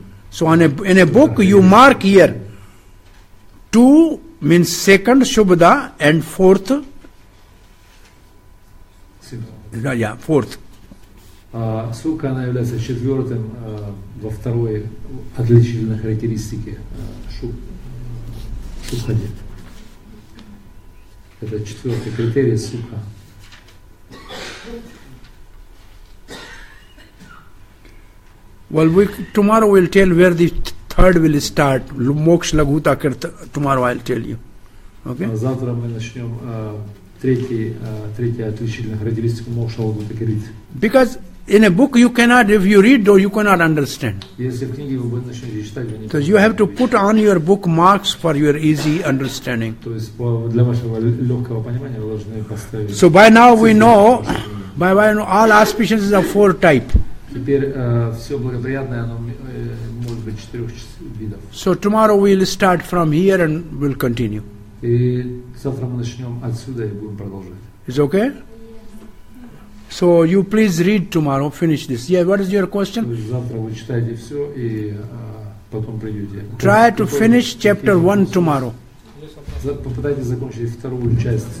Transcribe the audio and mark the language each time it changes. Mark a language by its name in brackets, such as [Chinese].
[English] So in a book you mark here 2 means second Shubhada and fourth. Yeah, fourth. [Russian] Сука она является четвертым во второй отличительной характеристике Шубхади. Это четвертый критерий сука. [English] Well, we tomorrow we'll tell where the third will start. Moksha Laghuta Kirta. Tomorrow I'll tell you. Okay. [Russian] Завтра мы начнем третий отличительный характеристик Мокша Лагута Кирты. [English] Because in a book you cannot, if you read, though you cannot understand. [Russian] Если в книге вы будете начинать читать, вы не. [English] So you have to put on your book marks for your easy understanding. [Russian] То есть для вашего легкого понимания вы должны поставить. [English] So by now we know. By now all auspiciousness are four type. [Russian] Теперь все благоприятное, оно может быть четырех видов. [English] So tomorrow we'll start from here and we'll continue. [Russian] И завтра мы начнем отсюда и будем продолжать. [English] Is okay? So you please read tomorrow, finish this. Yeah, what is your question? [Russian] Завтра вы читаете все и потом придете. [English] Try to finish chapter one tomorrow. [Russian] Попытайтесь закончить вторую часть.